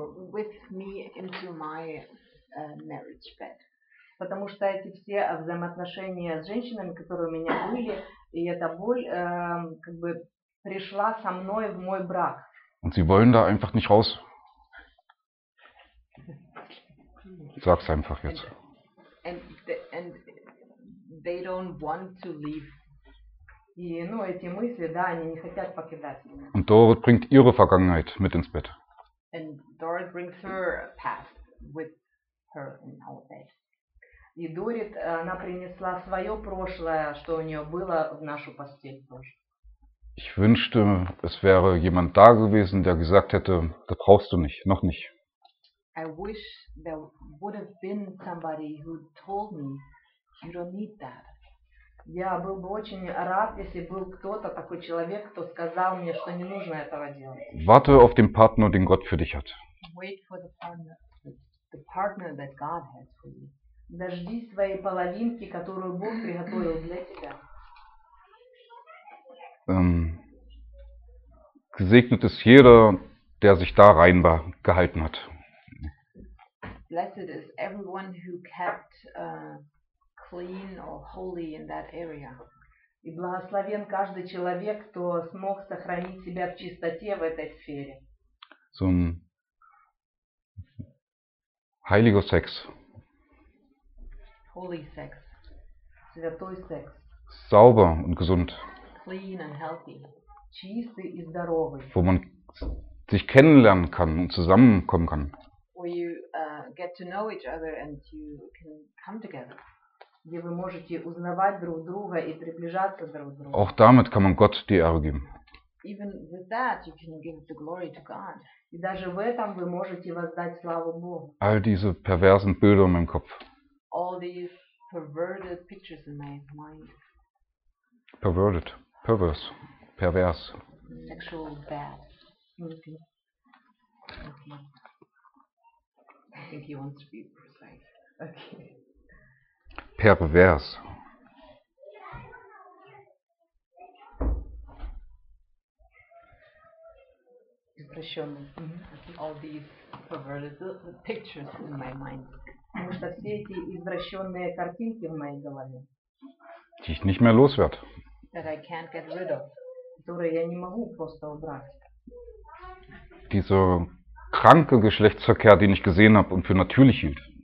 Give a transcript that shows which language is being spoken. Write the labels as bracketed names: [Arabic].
[English] With me into my marriage bed. [Russian] Потому что эти все взаимоотношения с женщинами, которые у меня были, и эта боль как бы пришла со мной в мой брак. [German] Und sie wollen da einfach nicht raus. Sag's einfach jetzt. [English] And they don't want to leave. [Russian] И, ну, эти мысли, да, они не хотят покидать меня. [German] Und Dorit bringt ihre Vergangenheit mit ins Bett. [English] And Dorit brings her past with her in our bed. [Russian] И Дорит, она принесла свое прошлое, что у нее было, в нашу постель тоже. [German] Ich wünschte, es wäre jemand da gewesen, der gesagt hätte, das brauchst du nicht, noch nicht. [English] I wish there would have been somebody who told me, you don't need that. [Russian] Я был бы очень рад, если был кто-то, такой человек, кто сказал мне, что не нужно этого делать. [German] Warte auf den Partner, den Gott für dich hat. [English] Wait for the partner that God has for you. [Russian] Дождись своей половинки, которую Бог приготовил для тебя. [German] Gesegnet ist jeder, der sich da rein gehalten hat. [English] Blessed is everyone who kept clean or holy in that area. [Russian] И благословен каждый человек, кто смог сохранить себя в чистоте в этой сфере. [German] So ein heiliger Sex. [English] Holy sex. [Russian] Святой sex. [German] Sauber und gesund. [English] Clean and healthy. [Russian] Чистый и здоровый. [German] Wo man sich kennenlernen kann und zusammenkommen kann. [English] Where you get to know each other and you can come together. [Russian] Где вы можете узнавать друг друга и приближаться друг к другу. [German] Auch damit kann man Gott die Ehre geben. [English] Even with that you can give the glory to God. [Russian] И даже в этом вы можете воздать славу Богу. [German] All diese perversen Bilder in meinem Kopf. [English] All these perverted pictures in my mind. Perverted, perverse, pervers. Sexual bad. Okay. I think he wants to be precise. Okay. [German] Pervers. [English] Mm-hmm. All these perverted pictures in my mind. [Russian] Потому что все эти извращенные картинки в моей голове. [German] Die ich nicht mehr loswerde. [English] That I can't get rid of. [Russian] Которые я не могу просто убрать. [German] Diese kranke Geschlechtsverkehr, den ich gesehen habe und für natürlich hielt.